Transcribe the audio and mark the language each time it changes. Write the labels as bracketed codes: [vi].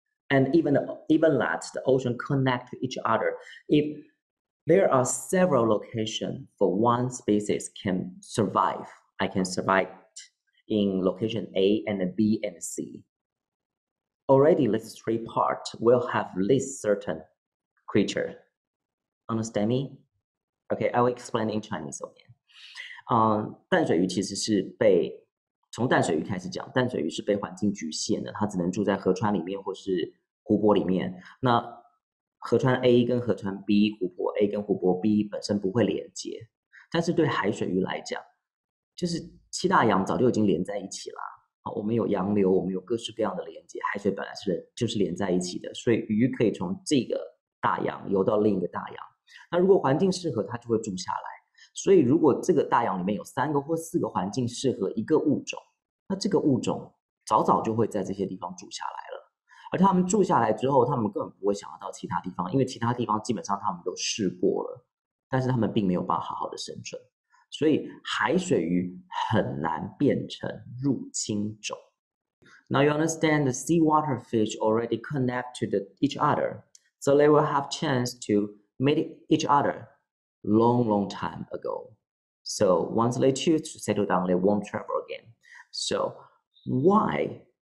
[en] And even that the ocean connect to each other, if there are several locations for one species can survive. I can survive in location A and B and C. Already, these three parts will have this certain creature. Understand me? Okay, I will explain in Chinese again. [zh] 淡水鱼其实是被从淡水鱼开始讲，淡水鱼是被环境局限的，它只能住在河川里面或是湖泊里面。那河川 A 跟河川 B 湖泊 A 跟湖泊 B 本身不会连接，但是对海水鱼来讲，就是七大洋早就已经连在一起了，我们有洋流，我们有各式各样的连接，海水本来是就是连在一起的，所以鱼可以从这个大洋游到另一个大洋。那如果环境适合，它就会住下来。所以如果这个大洋里面有三个或四个环境适合一个物种，那这个物种早早就会在这些地方住下来了。而他们住下来之后，他们根本不会想要到其他地方，因为其他地方基本上他们都试过了，但是他们并没有办法好好的生存。所以海水鱼很难变成入侵种。 [en] Now you understand the sea water fish already connect to each other, so they will have chance to meet each other long, long time ago. So once they choose to settle down, they won't travel again. So why?